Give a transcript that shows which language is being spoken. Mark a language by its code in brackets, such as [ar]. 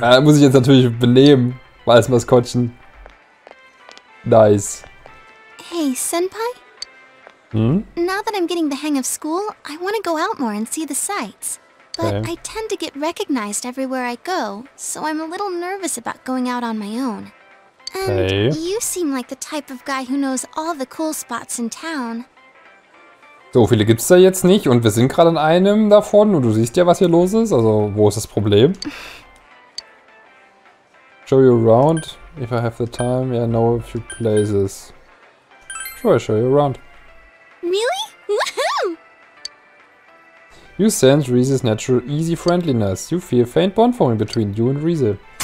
[de] Ja, muss ich jetzt natürlich benehmen, weil es Maskottchen. [en] Nice. Hey, Senpai? Hm? Now that I'm getting the hang of school, I wanna go out more and see the sights. But okay. I tend to get recognized everywhere I go, so I'm a little nervous about going out on my own. And you seem like the type of guy who knows all the cool spots in town. [de] So viele gibt's da jetzt nicht und wir sind gerade in einem davon und du siehst ja, was hier los ist. Also, wo ist das Problem? [en] Show you around if I have the time. Yeah, I know a few places. Sure, I'll show you around. Really? Woohoo! You sense Reese's natural easy friendliness. You feel faint bond forming between you and Reese.